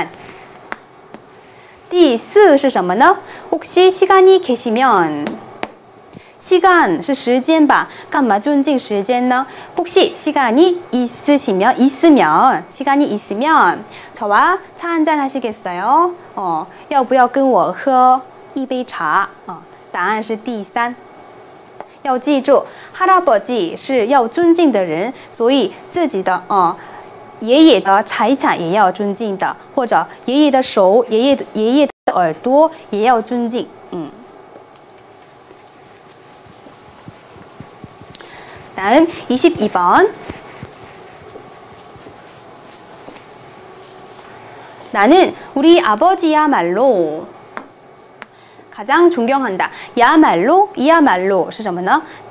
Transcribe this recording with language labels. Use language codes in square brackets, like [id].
[zh] 财产那爷爷的财产呢，也是属于爷爷的部分一部分。那么这个财产也是要尊敬的。其他呢，给많으셨어요，많다后面加시，然后表示过去的시었어요，많으셨어요是对的。第三是答案。第四是什么呢？ [ko] 혹시 시간이 계시면。 [zh] 시간是时间吧，干嘛尊敬时间呢? [ko] 혹시 시간이 있으시면, 있으면, 시간이 있으면 저와 차 한잔 하시겠어요? [zh] 要不要跟我喝一杯茶？答案是第三。要记住， 할아버지是要尊敬的人，所以自己的爷爷的财产也要尊敬的，或者爷爷的手、爷爷的耳朵也要尊敬。 [ko] 다음 22번 나는 우리 아버지야말로 가장 존경한다. [zh] 야말로, 이야말로 是什么呢?